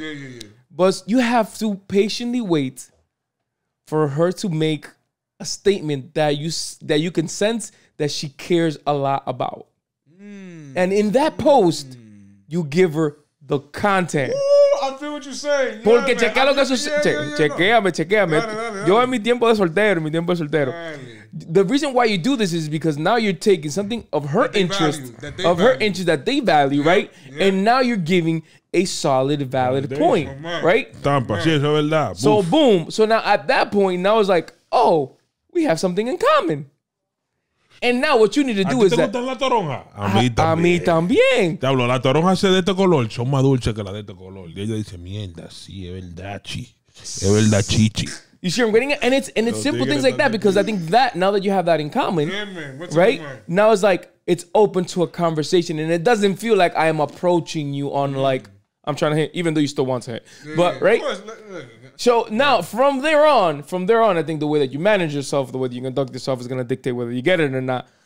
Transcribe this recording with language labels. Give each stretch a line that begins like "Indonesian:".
English: Yeah. But you have to patiently wait for her to make a statement that you can sense that she cares a lot about. And in that post, you give her the content. Ooh. I feel what you're saying. Yeah,
Spanish: porque chequea lo que sucede. Chequeame. Yo en mi tiempo de soltero,
English: the reason why you do this is because now you're taking something of her interest, that they value, right? Yeah. And now you're giving a solid, valid point, right? Tampa. So boom. So now at that point, now it's like, oh, we have something in common. And now what you need to do is that.
Spanish: ¿A ti te gustan la toronja? A mí también. Te hablo, la toronja es de este color. Son más dulces que la de este color. Y ella dice, mierda, sí, es verdad, chi. Es verdad, chichi.
English: You see what I'm getting at? And it's simple things like that, because I think that, now that you have that in common, yeah, right? Now it's like, it's open to a conversation, and it doesn't feel like I am approaching you on, like, I'm trying to hit, even though you still want to hit. Yeah, but, right? So now, from there on, I think the way that you manage yourself, the way that you conduct yourself is going to dictate whether you get it or not.